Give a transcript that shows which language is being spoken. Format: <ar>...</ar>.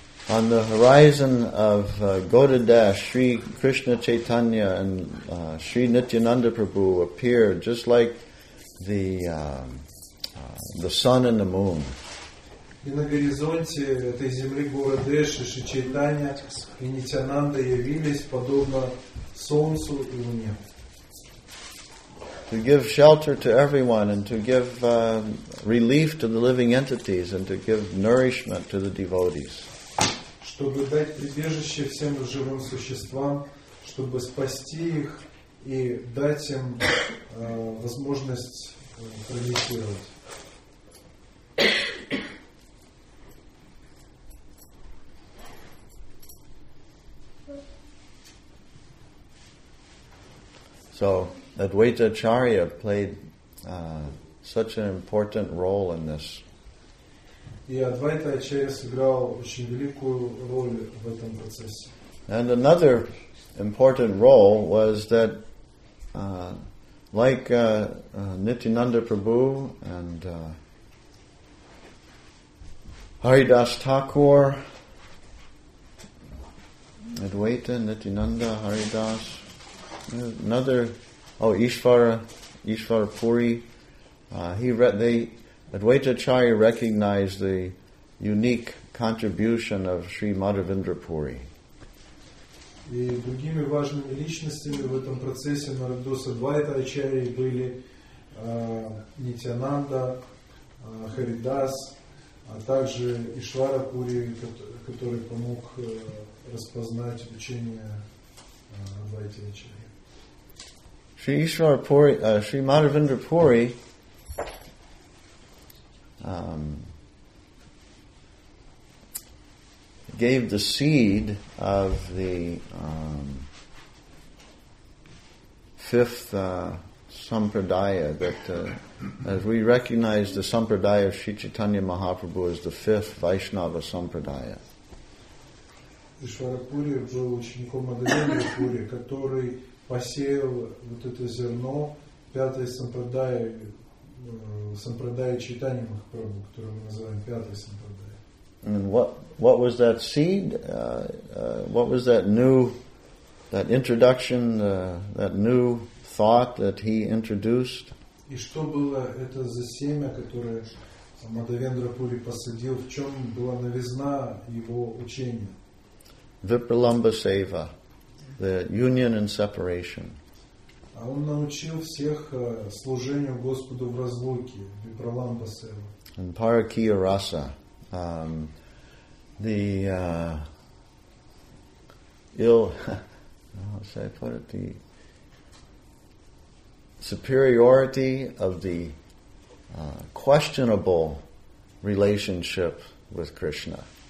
<en>On the horizon of Gaudadesh, Shri Krishna Chaitanya and Shri Nityananda Prabhu appeared just like the sun and the moon.</en> <ru>И на горизонте этой земли Гурадеш, Шри Чайтанья и Нитянанда явились подобно солнцу и луне.</ru> <en>To give shelter to everyone and to give relief to the living entities and to give nourishment to the devotees.</en> <ru>Чтобы дать прибежище всем живым существам, чтобы спасти их и дать им возможность пролетировать.</ru> <en>So Advaita Acharya played such an important role in this.</en> <ru>И Адвайта Ачарья сыграл очень великую роль в этом процессе.</ru> <en>And another important role was that, like Nityananda Prabhu and Haridas Thakur, Advaita, Nityananda, Haridas, another. Oh, Ishvara Puri. Advaita Acharya recognized the unique contribution of Sri Madhavendra Puri.</en> <ru>И другими важными личностями в этом процессе наряду с Адвайта Ачарьей были Нитянанда, Харидас, а также Ишвара Пури, который помог распознать учение Адвайта Ачарьи.</ru> <en>Shri Madhavendra Puri gave the seed of the fifth sampradaya that, as we recognize the sampradaya of Sri Chaitanya Mahaprabhu as the fifth Vaishnava sampradaya.</en> <ru>Ishvara Puri был учеником Madhavendra Puri, который посеял вот это зерно пятой сампрадайи Чайтанья Махапрабху, которую мы называем пятой сампрадайи.</ru> <en>And what was that seed? What was that new, that introduction, that new thought that he introduced?</en> <ru>И что было это за семя, которое Мадхавендра Пури посадил? В чем была новизна его учения?</ru> <en>Випраламба сева. The union and separation.</en> <ru>Он научил всех служению Господу в разлуке, випраламба сева.</ru> <en>And парикия раса, the ill, how should I put it, the superiority of the questionable relationship with Krishna.</en>